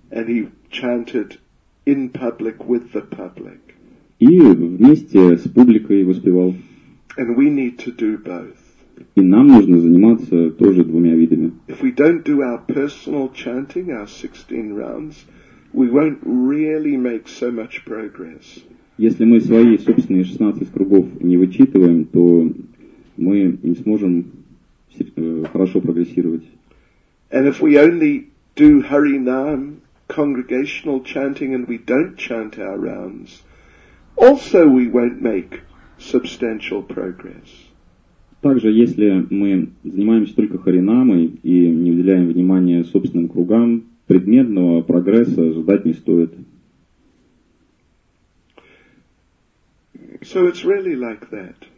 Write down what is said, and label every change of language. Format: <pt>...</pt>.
<en>And he chanted in public with the public.</en> <ru>И вместе с публикой воспевал.</ru> <en>And we need to do both.</en> <ru>И нам нужно заниматься тоже двумя видами.</ru> <en>If we don't do our personal chanting, our 16 rounds, we won't really make so much progress.</en> <ru>Если мы свои собственные 16 кругов не вычитываем, то мы не сможем хорошо прогрессировать.</ru> <en>And if we only do Harinam congregational chanting and we don't chant our rounds, also we won't make substantial progress.</en> <ru>Также, если мы занимаемся только харинамой и не уделяем внимания собственным кругам, предметного прогресса ожидать не стоит.</ru> <en>So it's really like that.</en>